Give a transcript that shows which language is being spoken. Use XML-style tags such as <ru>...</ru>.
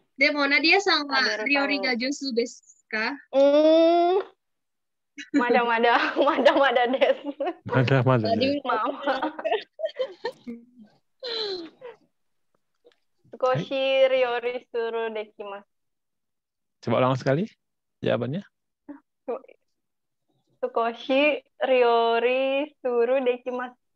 <ja>でもナディアさんは料理が上手ですか？まだです。まだまだです。まあ、少し料理するできます。</ja> <id>Coba ulang sekali jawabannya.</id> <ja>少し料理するできます。</ja>